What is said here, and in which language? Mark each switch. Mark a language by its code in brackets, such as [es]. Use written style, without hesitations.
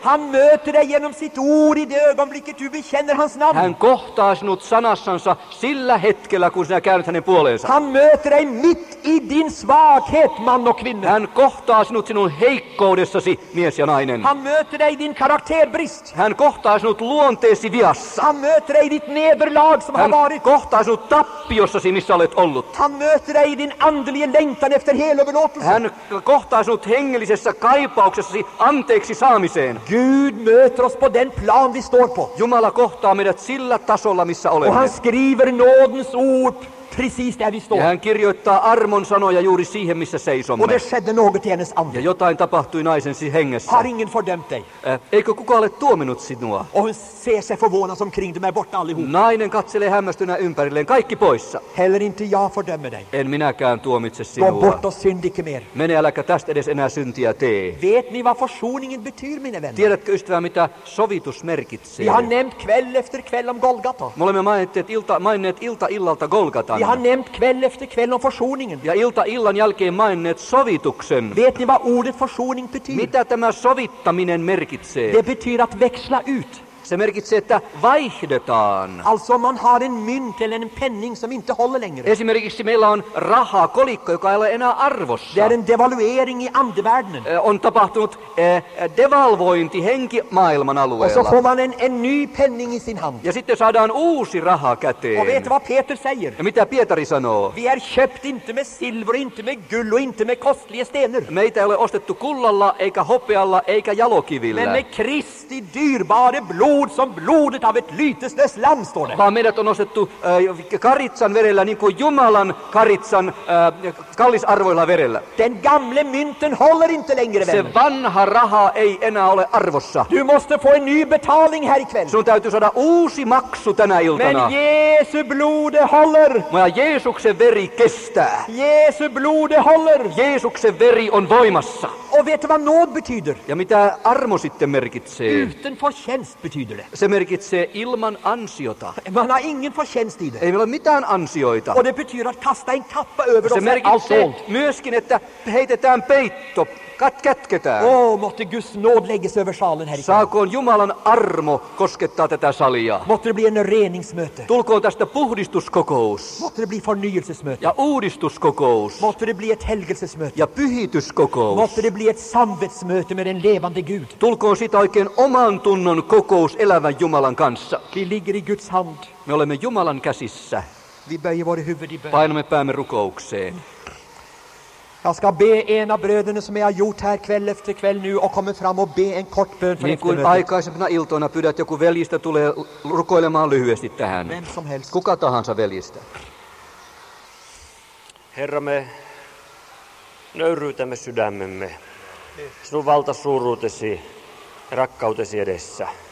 [sv] Han möter dig genom sitt ord i det ögonblicket du bekänner hans namn. [fi] Hän kohtaa sinut sanassansa sillä hetkellä, kun sinä käännyt hänen puoleensa. [sv] Han möter dig mitt i din svaghet, man och kvinna. [fi] Hän kohtaa sinut sinun heikkoudessasi, mies ja nainen. [sv] Han möter dig din karakterbrist. [fi] Hän kohtaa sinut luonteesi viassa. [sv] Han möter dig ditt nederlag som [fi] hän [sv] har varit. [fi] Hän kohtaa sinut tappiossasi, missä olet ollut. [sv] Han möter dig din andliga längtan efter helöverlåtelse. [fi] Hän kohtaa sinut hengellisessä kaipauksessasi anteeksi saamiseen. [sv] Gud möter oss på den plan vi står på. [fi] Jumala kohtaa meidät sillä tasolla, missä olemme. [sv] Och han skriver nådens ord. Precis där vi står. [fi] Ja hän kirjoittaa armon sanoja juuri siihen, missä seisomme. [sv] Och det skedde något i hennes ande. [fi] Ja jotain tapahtui naisen hengessä. [sv] Har ingen fördömt dig? [fi] Eikö kukaan ole tuominut sinua? [sv] Och hon ser sig förvånad omkring dem, är borta allihop. [fi] Nainen katselee hämmästynä ympärilleen, kaikki poissa. [sv] Heller inte jag fördömer dig. [fi] En minäkään tuomitse sinua. [sv] Gå bort och synd icke mer. [fi] Mene äläkä tästä edes enää syntiä tee. [sv] Vet ni vad försoningen betyder, mina vänner? [fi] Tiedätkö, ystävä, mitä sovitus merkitsee? [sv] Vi har nämnt kväll efter kväll om Golgata. [fi] Me olemme maininneet ilta illalta Golgatan. [sv] Vi har nämnt kväll efter kväll om försoningen. [fi] Ja ilta illan jälkeen maininneet sovituksen. [sv] Vet ni vad ordet försoning betyder? [fi] Mitä tämä sovittaminen merkitsee? [sv] Det betyder att växla ut. [fi] se merkitsee, että vaihdetaan. [sv] Alltså man har en mynt eller en penning som inte håller längre. [fi] Esimerkiksi meillä on rahaa, kolikko, joka ei ole enää arvossa. [sv] Det är en devaluering i andevärlden. [fi] On tapahtunut devalvointi henkimaailman alueella. [sv] Och så får man en ny penning i sin hand. [fi] Ja sitten saadaan uusi raha käteen. [sv] Och vet du vad Peter säger? [fi] Ja mitä Pietari sanoo? [sv] Vi är köpt inte med silver, inte med guld och inte med kostliga stenar. [fi] Meitä ei ole ostettu kullalla, eikä hopealla, eikä jalokivillä. [sv] Men med Kristi dyrbare blod som blodet av ett lyteslöst lamm står det. [fi] Vaan meidät on ostettu karitsan verellä, niin kuin Jumalan karitsan kallisarvoilla verellä. [sv] Den gamle mynten håller inte längre, [fi] vänner. Se vanha raha ei enää ole arvossa. [sv] Du måste få en ny betaling här ikväll. [fi] Sun täytyy saada uusi maksu tänä iltana. [sv] Men Jesu blod håller. [fi] Mä Jeesuksen veri kestää. [sv] Jesu blod håller. [fi] Jeesuksen veri on voimassa. [sv] Och vet du vad nåd betyder? [fi] Ja mitä armo sitten merkitsee? [sv] Utan förtjänst betyder det. [fi] Se merkitsee ilman ansiota. [sv] Man har ingen förtjänst i det. [fi] Ei meillä ole mitään ansioita. [sv] Och det betyder att kasta en kappa över [fi] och se merkitsee myöskin, että heitetään peitto. Kätketään. [sv] Oh, måtte Guds nåd läggas över salen här. [fi] Saakoon Jumalan armo koskettaa tätä salia. [sv] Måtte det bli en reningsmöte. [fi] Tulkoon tästä puhdistuskokous. [sv] Måtte det bli förnyelsesmöte. [fi] Ja uudistuskokous. [sv] Måtte det bli ett helgelsesmöte. [fi] Ja pyhityskokous. [sv] Måtte det bli ett samvetsmöte med en levande Gud. [fi] Tulkoon sitä oikein oman tunnon kokous elävän Jumalan kanssa. [sv] Vi ligger i Guds hand. [fi] Me olemme Jumalan käsissä. [sv] Vi böjer våra huvud i bön. [fi] Painamme päämme rukoukseen. [sv] Jag ska be en av bröderna som jag har gjort här kväll efter kväll nu och kommer fram och be en kort bön för [fi] niin kuin aikaisempina iltoina pyydät joku veljistä tulee rukoilemaan lyhyesti tähän. [sv] Vem som helst. [fi] Kuka tahansa veljistä. Herra, me nöyryytämme sydämemme sinun valtasuuruutesi ja rakkautesi edessä.